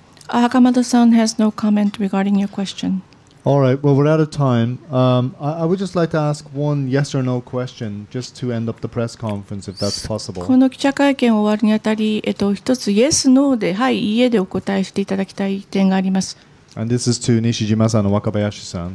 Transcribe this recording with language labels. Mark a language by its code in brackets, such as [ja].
[en] Hakamada-san has no comment regarding your question. All right, well, we're out of time. I would just like to ask one yes or no question just to end up the press conference, if that's possible. [ja] この記者会見を終わるにあたり、一つ [en] yes, no [ja] で、はい、いいえでお答えしていただきたい点があります。 [en] And this is to Nishijima-san and Wakabayashi-san.